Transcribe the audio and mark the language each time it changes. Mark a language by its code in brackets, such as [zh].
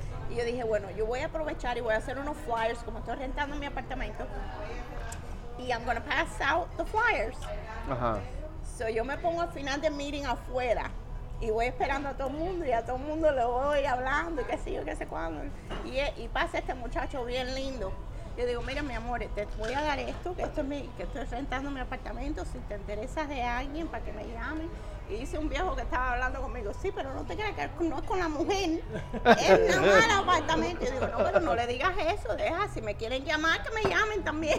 [es] Y yo dije, bueno, yo voy a aprovechar y voy a hacer unos flyers, como estoy rentando mi apartamento. Y [en] I'm going to pass out the flyers. [es] Ajá. [en] So [es] yo me pongo al final del meeting afuera. Y voy esperando a todo el mundo y a todo el mundo le voy hablando y qué sé yo, qué sé cuándo. Y pasa este muchacho bien lindo. Yo digo, mira, mi amor, te voy a dar esto, que esto es mi, que estoy rentando mi apartamento. Si te interesas de alguien, para que me llamen. Y dice un viejo que estaba hablando conmigo, sí, pero no te creas que no es con la mujer, es nada más el apartamento. Y digo, no, pero no le digas eso, deja, si me quieren llamar, que me llamen también.